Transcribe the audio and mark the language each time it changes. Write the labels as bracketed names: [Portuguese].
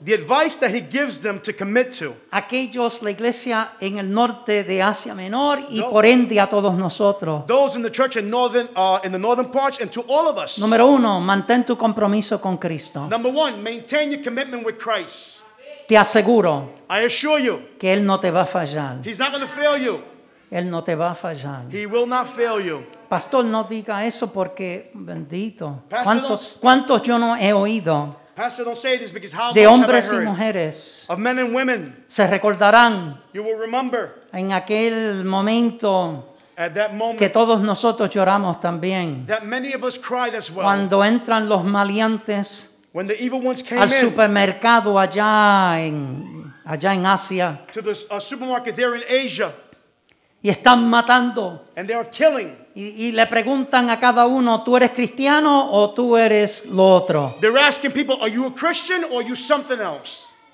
[English] The advice that he gives them to commit to. [Spanish] Aquellos, la iglesia en el norte de Asia Menor y no, por ende a todos nosotros. [English] Those in the church in northern, in the northern parts and to all of us. [Spanish] Número uno, mantén tu compromiso con Cristo. [English] Number one, maintain your commitment with Christ. [Spanish] Te aseguro, [English] I assure you, [Spanish] que él no te va a fallar. [English] He's not going to fail you. [Spanish] Él no te va a fallar. [English] He will not fail you. [Spanish] Pastor, no diga eso porque bendito. [English] Pastor, [Spanish] ¿Cuántos yo no he oído? [English] Pastor, don't say this because how [Spanish] de hombres y mujeres [English] of men and women, [Spanish] se recordarán [English] you will remember, [Spanish] en aquel momento, [English] at that moment, [Spanish] que todos nosotros lloramos también. [English] That many of us cried as well. [Spanish] Cuando entran los maleantes. [English] When the evil ones came [Spanish] al supermercado allá en Asia, [English] to the supermarket there in Asia, [Spanish] y están matando, [English] and they are killing, [Spanish] y le preguntan a cada uno, ¿tú eres cristiano o tú eres lo otro? [English] They're asking people, are you a Christian or are you something else?